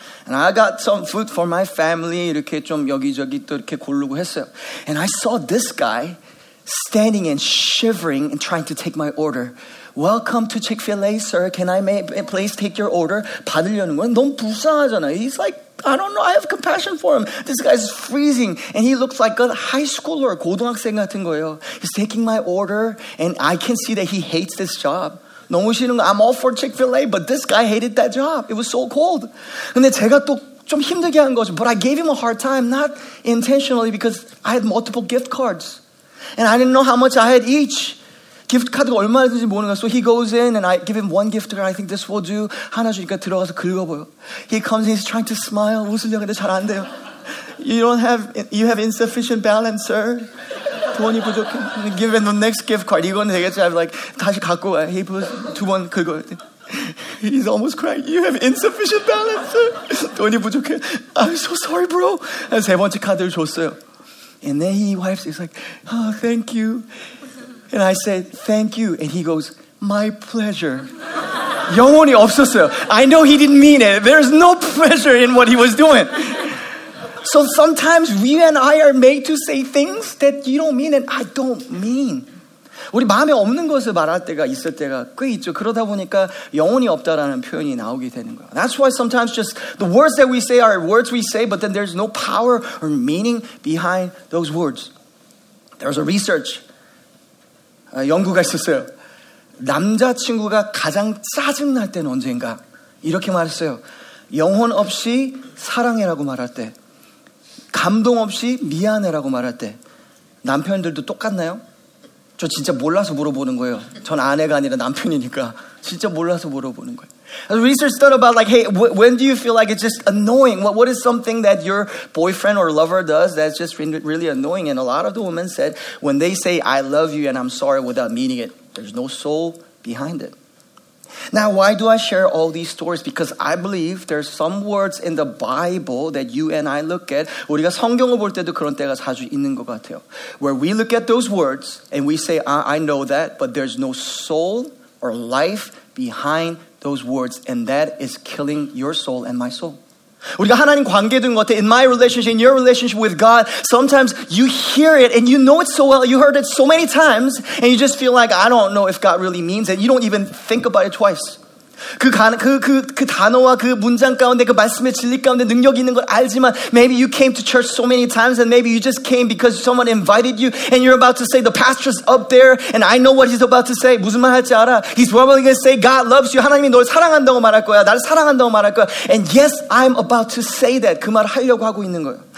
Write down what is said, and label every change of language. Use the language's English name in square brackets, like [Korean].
[English] And I got some food for my family. [Korean] 이렇게 좀 여기저기 또 이렇게 고르고 했어요. [English] And I saw this guy standing and shivering and trying to take my order. Welcome to Chick-fil-A, sir. Can I please take your order? [Korean] 받으려는 건 너무 불쌍하잖아요. [English] He's like, I don't know. I have compassion for him. This guy's freezing. And he looks like a high schooler, [Korean] 고등학생 같은 거예요. [English] He's taking my order. And I can see that he hates this job. [Korean] 너무 싫은 거. [English] I'm all for Chick-fil-A. But this guy hated that job. It was so cold. [Korean] 근데 제가 또 좀 힘들게 한 거죠. [English] But I gave him a hard time, not intentionally, because I had multiple gift cards. And I didn't know how much I had each. Gift card가 [Korean] 얼마든지 모르는 거야. [English] So he goes in and I give him one gift card. I think this will do. [Korean] 하나 주니까 들어가서 긁어봐요. [English] He comes in, he's trying to smile. [Korean] 웃으려고 근데 잘 안 돼요. [English] You have insufficient balance, sir. [Korean] 돈이 부족해. [English] Give him the next gift card. [Korean] 이거는 되겠지. [English] I'm like, [Korean] 다시 갖고 와. [English] He puts [Korean] 2번 긁어요. [English] He's almost crying. You have insufficient balance, sir. [Korean] 돈이 부족해. [English] I'm so sorry, bro. [Korean] 세 번째 카드를 줬어요. [English] And then he wipes. He's like, oh, thank you. And I said, thank you. And he goes, my pleasure. [Korean] 영혼이 없었어요. [English] I know he didn't mean it. There's no pleasure in what he was doing. So sometimes we and I are made to say things that you don't mean and I don't mean. [Korean] 우리 마음에 없는 것을 말할 때가 있을 때가 꽤 있죠. 그러다 보니까 영혼이 없다라는 표현이 나오게 되는 거예요. [English] That's why sometimes just the words that we say are words we say, but then there's no power or meaning behind those words. There's a research. [Korean] 연구가 있었어요. 남자친구가 가장 짜증날 때는 언제인가? 이렇게 말했어요. 영혼 없이 사랑해라고 말할 때, 감동 없이 미안해라고 말할 때, 남편들도 똑같나요? 저 진짜 몰라서 물어보는 거예요. 전 아내가 아니라 남편이니까 진짜 몰라서 물어보는 거예요. [English] Research thought about like, hey, when do you feel like it's just annoying? What is something that your boyfriend or lover does that's just really annoying? And a lot of the women said, when they say, I love you and I'm sorry without meaning it, there's no soul behind it. Now, why do I share all these stories? Because I believe there's some words in the Bible that you and I look at. [Korean] 우리가 성경을 볼 때도 그런 때가 자주 있는 것 같아요. [English] Where we look at those words and we say, I know that, but there's no soul or life behind those words, and that is killing your soul and my soul. [Korean] 우리가 하나님 관계 된 것 같아. [English] In my relationship, in your relationship with God, sometimes you hear it and you know it so well. You heard it so many times and you just feel like, I don't know if God really means it. You don't even think about it twice. [Korean] 그 단어와 그 문장 가운데 그 말씀의 진리 가운데 능력이 있는 걸 알지만 [English] maybe you came to church so many times and maybe you just came because someone invited you and you're about to say the pastor's up there and I know what he's about to say. [Korean] 무슨 말 할지 알아? [English] He's probably going to say God loves you. [Korean] 하나님이 널 사랑한다고 말할 거야. 나를 사랑한다고 말할 거야. [English] And yes, I'm about to say that. [Korean] 그 말을 하려고 하고 있는 거예요.